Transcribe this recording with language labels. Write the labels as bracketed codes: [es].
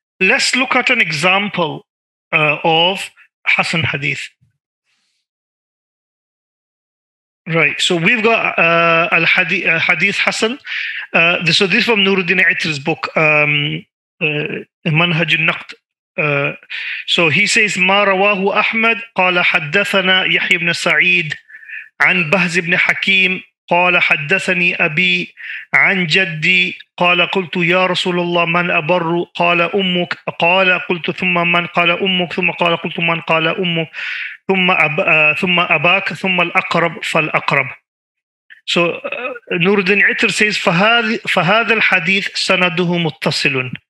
[en] Let's look at an example of Hassan Hadith. Right, so we've got Hadith Hassan. So this is from Nuruddin Itr's book, Manhaj al-Naqd. So he says, [ar] مَا رَوَاهُ أَحْمَدْ قَالَ حَدَّثَنَا يَحْيَ بْنَ سَعِيدٍ عَنْ بَهْزِ بْنِ حَكِيمٍ قال حدثني أبي عن جدي قال قلت يا رسول الله من أبر قال أمك قال قلت ثم من قال أمك ثم قال قلت من قال أمك ثم أباك ثم الأقرب فالأقرب. [en] So Nuruddin Itr says [ar] فهذا الحديث سنده متصل.